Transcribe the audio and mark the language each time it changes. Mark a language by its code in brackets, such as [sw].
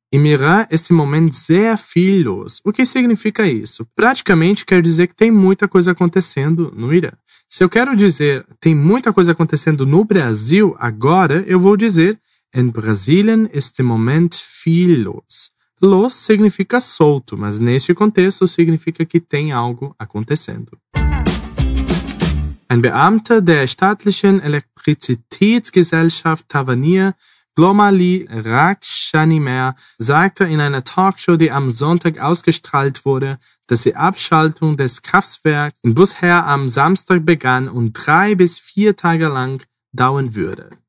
[de] Im Iran ist im Moment sehr viel los. [pt] O que significa isso? Praticamente quer dizer que tem muita coisa acontecendo no Irã. Se eu quero dizer tem muita coisa acontecendo no Brasil agora, eu vou dizer [de] in Brasilien ist im Moment viel los. [pt] Los significa solto, mas neste contexto significa que tem algo acontecendo. [de] Ein Beamter der staatlichen Elektrizitätsgesellschaft Tavania, Glomali Rakshanimer, sagte in einer Talkshow, die am Sonntag ausgestrahlt wurde, dass die Abschaltung des Kraftwerks in Buzhehr am Samstag begann und 3 bis 4 Tage lang dauern würde.